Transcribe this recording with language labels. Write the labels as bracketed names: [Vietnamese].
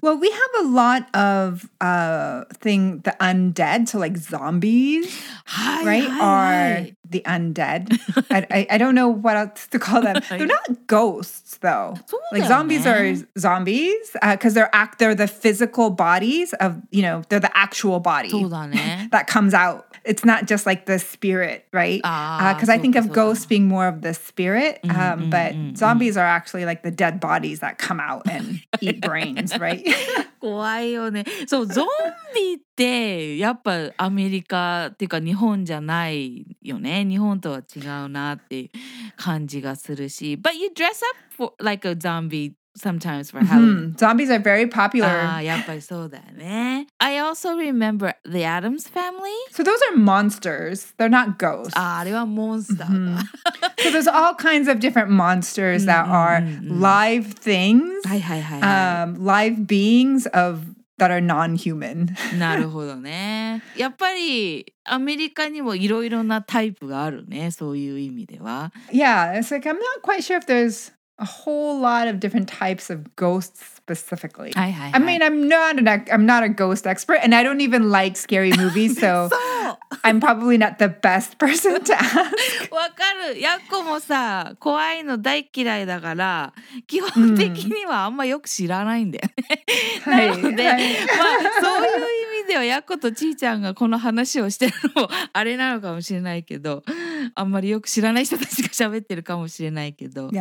[English] Well we have a lot of thing the undead so like zombies right are the undead I don't know what else to call them they're not ghostsThough, like zombies are zombies because they're the physical bodies of you know they're the actual body that comes out. It's not just like the spirit, right? Because I think of ghosts being more of the spirit, but zombies are actually like the dead bodies that come out and eat brains, right? [Japanese] 怖いよね。そう、ゾンビってやっぱアメリカっていうか日本じゃないよね。日本とは違うなっていう感じがするし。 [English] But you dress up for, like a zombie sometimes for Halloween.、Mm-hmm. Zombies are very popular. [Japanese] あ、やっぱりそうだね。 [English] I also remember the Addams Family. So those are monsters. They're not ghosts. [Japanese] あ、あれはモンスターだ。 Mm-hmm. [English] So there's all kinds of different monsters that are live things. [Japanese] はいはいはい。 [English] Live beings of... that are non-human. [Japanese] なるほどね。やっぱりアメリカにもいろいろなタイプがあるね。そういう意味では。 [English] Yeah, it's like I'm not quite sure if there's a whole lot of different types of ghosts specifically. [Japanese] はいはいはい。 [English] I mean, I'm not a ghost expert, and I don't even like scary movies, so I'm probably not the best person to ask. [Japanese] わかる。ヤッコもさ、怖いの大嫌いだから、基本的にはあんまよく知らないんだよね。なので、はいはい、まあそういう意味ではヤッコとちーちゃんがこの話をしてるのもあれなのかもしれないけど、あんまりよく知らない人たちが喋ってるかもしれないけど。